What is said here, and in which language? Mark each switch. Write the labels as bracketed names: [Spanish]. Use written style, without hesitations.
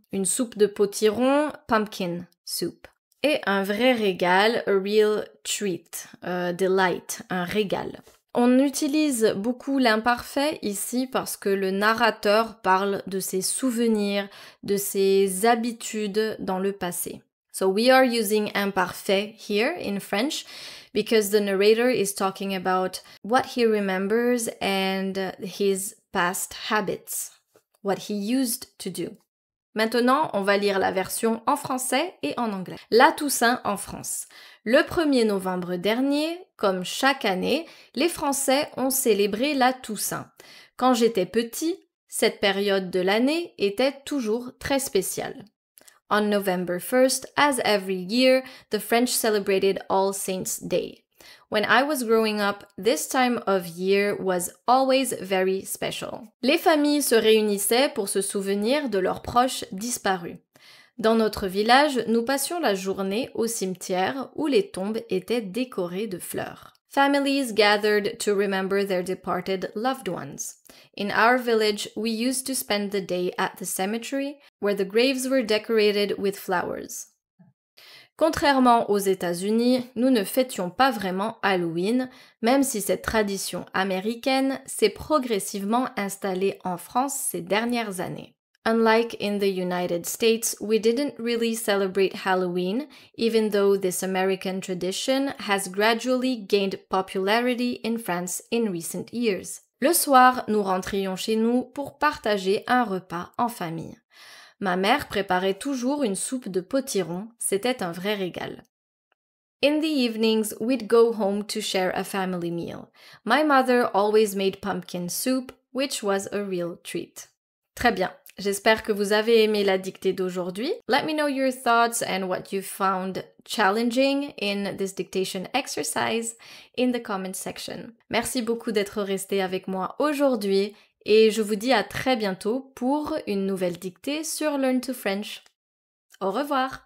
[French] Une soupe de potiron, [English] pumpkin soup. [French] Et un vrai régal, [English] a real treat, delight, [French] un régal. On utilise beaucoup l'imparfait ici parce que le narrateur parle de ses souvenirs, de ses habitudes dans le passé. [English] So we are using imparfait here in French because the narrator is talking about what he remembers and his past habits, what he used to do. [French] Maintenant, on va lire la version en français et en anglais. La Toussaint en France. Le 1er novembre dernier, comme chaque année, les Français ont célébré la Toussaint. Quand j'étais petit, cette période de l'année était toujours très spéciale. [English] On November 1st, as every year, the French celebrated All Saints' Day. When I was growing up, this time of year was always very special. [French] Les familles se réunissaient pour se souvenir de leurs proches disparus. Dans notre village, nous passions la journée au cimetière où les tombes étaient décorées de fleurs. [English] Families gathered to remember their departed loved ones. In our village, we used to spend the day at the cemetery where the graves were decorated with flowers. [French] Contrairement aux États-Unis, nous ne fêtions pas vraiment Halloween, même si cette tradition américaine s'est progressivement installée en France ces dernières années. [English] Unlike in the United States, we didn't really celebrate Halloween, even though this American tradition has gradually gained popularity in France in recent years. [French] Le soir, nous rentrions chez nous pour partager un repas en famille. Ma mère préparait toujours une soupe de potiron, c'était un vrai régal. [English] In the evenings, we'd go home to share a family meal. My mother always made pumpkin soup, which was a real treat. [French] Très bien. J'espère que vous avez aimé la dictée d'aujourd'hui. [English] Let me know your thoughts and what you found challenging in this dictation exercise in the comment section. [French] Merci beaucoup d'être resté avec moi aujourd'hui et je vous dis à très bientôt pour une nouvelle dictée sur Learn to French. Au revoir!